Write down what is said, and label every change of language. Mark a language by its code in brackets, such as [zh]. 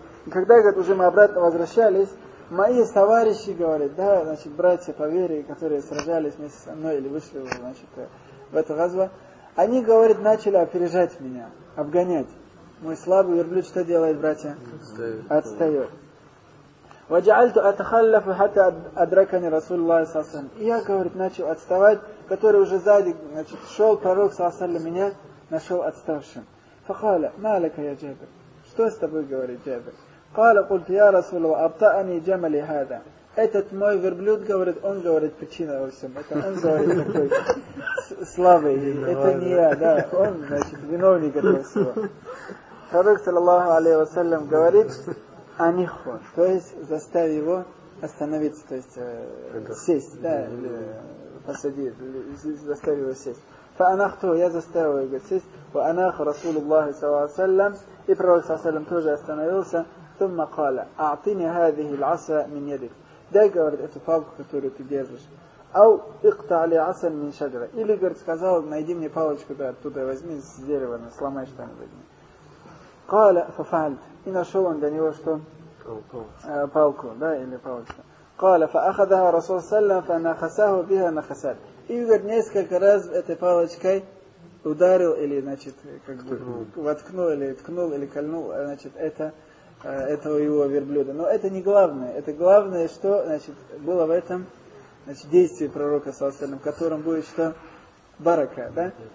[ru] Когда, говорит, уже мы обратно возвращались, мои товарищи, говорят, да, значит, братья по вере, которые сражались вместе со мной или вышли, значит, в эту газву, они, говорят, начали опережать меня, обгонять. Мой слабый верблюд что делает, братья? Отстает. [ar] وجعلت اتخلف حتى ادركني رسول الله صلى الله عليه وسلم. [ru] Я, говорит, начал отставать, который уже сзади, значит, шёл пророк саллаллаху алейхи ва саллям, меня нашёл отставшим. [ar] فقال: ما لك يا جابر؟ [ru] Что с тобой, говорит Джабир? [ar] قال: قلت يا رسول الله ابطأني جملي هذا. [ru] Этот мой верблюд, говорит, он, говорит, причина во всём. Это он, говорит, такой слабый. Это не я, да. Он, значит, виновник этого всего. Пророк саллаллаху алейхи ва саллям говорит: Анихо, то есть заставь его остановиться, то есть сесть, да, посадить, заставь его сесть. [ar] Фанахто, [ru] я заставил его сесть, [ar] ва анах [ru] Расулуллахи саллаллаху алейхи ва саллям, и пророк саллаллаху алейхи ва саллям тоже остановился, [ar] тумма кала, аатини хазихи аса мин ядик. [ru] Дай, говорит, эту палку, которую ты держишь. [ar] Ау икта али аса мин шаджара. [ru] Или, говорит, сказал, найди мне палочку, да, оттуда возьми, с дерева, ну, сломай что-нибудь. [ar] قال ففعلت [ru] и нашел он для него что палку, да, или палочку. [ar] قال فأخذها رسول الله صلى الله عليه وسلم فنخسه بها نخسات. [ru] И, говорит, несколько раз этой палочкой ударил или, значит, как бы воткнул или ткнул или кольнул, значит, это этого его верблюда. Но это не главное. Это главное, что, значит, было в этом, значит, действии пророка صلى الله عليه وسلم, в котором будет что барака, да?